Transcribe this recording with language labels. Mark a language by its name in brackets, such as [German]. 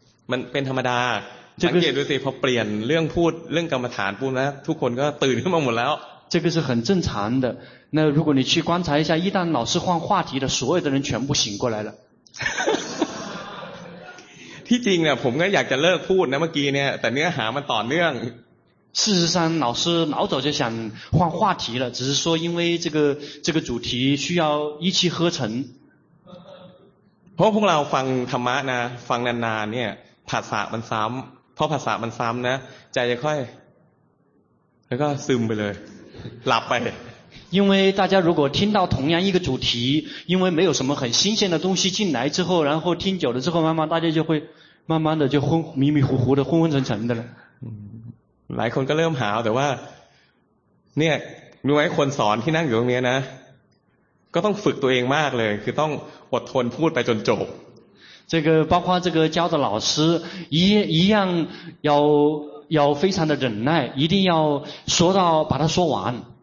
[Thai] มันเป็นธรรมดาสังเกตดูสิพอเปลี่ยนเรื่องพูดเรื่องกรรมฐานปุ๊บนะทุกคนก็ตื่นขึ้นมาหมดแล้ว [Chinese] 这个是很正常的那如果你去观察一下一旦老师换话题的所有的人全部醒过来了 [Thai] ที่จริงเนี่ยผมก็อยากจะเลิกพูดนะเมื่อกี้เนี่ยแต่เนื้อหามันต่อเนื่อง [Chinese] 事实上老师老早就想换话题了只是说因为这个主题需要一气呵成 [Thai] เพราะพวกเราฟังธรรมะนะฟังนานๆเนี่ยผัสสะมันซ้ำเพราะผัสสะมันซ้ำนะใจจะค่อยแล้วก็ซึมไปเลยหลับไป [Chinese] 因为大家如果听到同样一个主题因为没有什么很新鲜的东西进来之后然后听久了之后慢慢大家就会慢慢的就昏迷迷糊糊的昏昏沉沉的了 [Thai] หลายคนก็เริ่มหาแต่ว่าเนี่ยมีไว้คนสอนที่นั่งอยู่ตรงนี้นะก็ต้องฝึกตัวเองมากเลยคือต้องอดทนพูดไปจนจบ [Chinese] 这个包括这个教的老师一样要非常的忍耐一定要说到把它说完